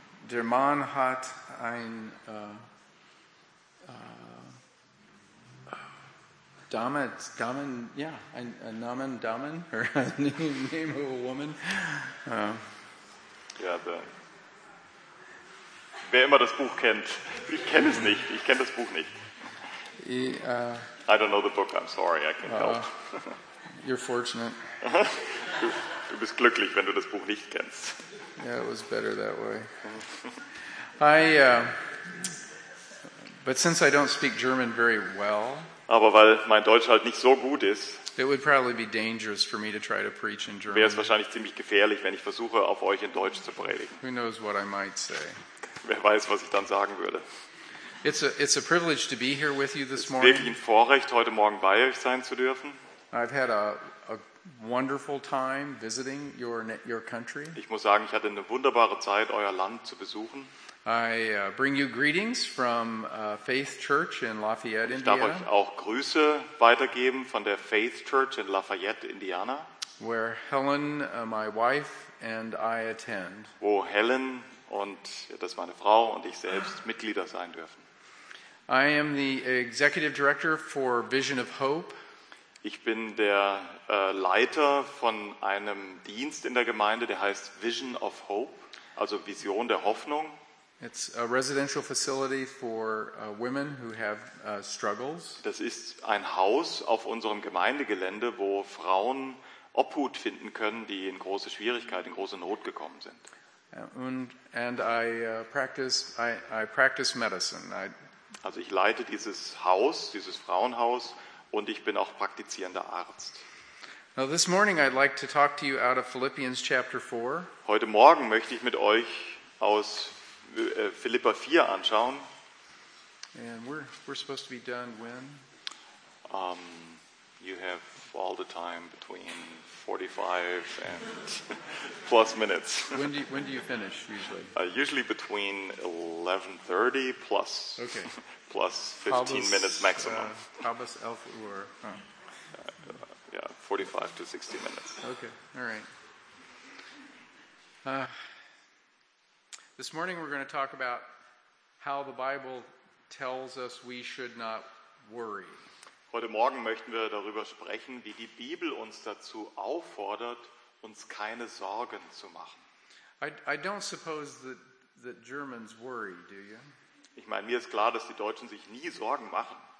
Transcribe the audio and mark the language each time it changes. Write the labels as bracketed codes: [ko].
[de] Der Mann hat ein Damen, ja, ein Namen, Damen, [en] or name of a woman. [de] Ja, wer immer das Buch kennt, ich kenne es nicht, ich kenne das Buch nicht. [en] I don't know the book, I'm sorry, I can't help. You're fortunate. [de] Du bist glücklich, wenn du das Buch nicht kennst. [en] Yeah, it was better that way. But since I don't speak German very well, [de] aber weil mein Deutsch halt nicht so gut ist, [en] it would probably be dangerous for me to try to preach in German. [de] Wäre es wahrscheinlich ziemlich gefährlich, wenn ich versuche, auf euch in Deutsch zu predigen. [en] Who knows what I might say? [de] Wer weiß, was ich dann sagen würde. [en] It's a privilege to be here with you this morning. [de] Es ist wirklich ein Vorrecht, heute Morgen bei euch sein zu dürfen. [en] I've had a wonderful time visiting your country. [de] Ich muss sagen, ich hatte eine wunderbare Zeit, euer Land zu besuchen. [en] I bring you greetings from Faith Church in Lafayette, Indiana. [de] Ich darf euch auch Grüße weitergeben von der Faith Church in Lafayette, Indiana. [en] Where Helen, my wife, and I attend. [de] Wo Helen und das meine Frau und ich selbst Mitglieder sein dürfen. [en] I am the executive director for Vision of Hope. [de] Ich bin der Leiter von einem Dienst in der Gemeinde, der heißt Vision of Hope, also Vision der Hoffnung. [en] It's a residential facility for women who have struggles. [de] Das ist ein Haus auf unserem Gemeindegelände, wo Frauen Obhut finden können, die in große Schwierigkeiten, in große Not gekommen sind. [en] And I practice medicine. [de] Also ich leite dieses Haus, dieses Frauenhaus, und ich bin auch praktizierender Arzt. [en] Now this morning I'd like to talk to you out of Philippians chapter 4. [de] Heute Morgen möchte ich mit euch aus Philipper 4 anschauen. [en] And we're supposed to be done when? You have all the time between 45 and plus minutes. When do you finish usually? Usually between 11:30 plus. Okay. Plus 15 Habis, minutes maximum. [de] Habis elf Uhr. Huh. [en] 45 to 60 minutes. Okay. All right. This morning we're going to talk about how the Bible tells us we should not worry. [de] Heute Morgen möchten wir darüber sprechen, wie die Bibel uns dazu auffordert, uns keine Sorgen zu machen. [en] I don't suppose that Germans worry, do you? [de] Ich meine, mir ist klar, dass die Deutschen sich nie Sorgen machen.